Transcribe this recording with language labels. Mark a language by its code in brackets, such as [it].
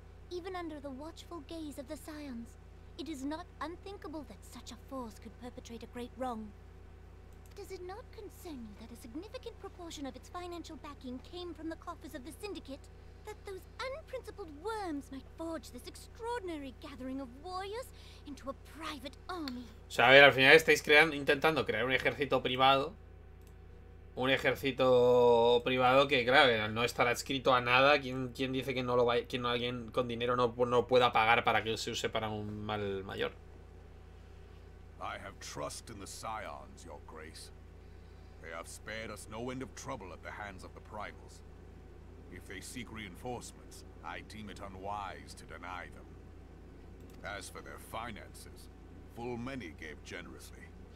[en] Even under the watchful gaze of the Scions, it is not unthinkable that such a force could perpetrate a great wrong. Does it not concern you that a significant proportion of its financial backing came from the coffers of the Syndicate? That those unprincipled worms might forge this extraordinary gathering of warriors into a private army? [es] O sea, a ver, al final estáis creando, intentando crear un ejército privado. Un ejército privado que, claro, no estará adscrito a nada. ¿Quién dice que no lo vaya, quien alguien con dinero no pueda pagar para que se use para un mal mayor? [en] I have trust in the Scions, Your Grace. They have spared us no end of trouble at the hands of the Primals. If they seek reinforcements, I deem it unwise to deny them. As for their finances, full many gave generously.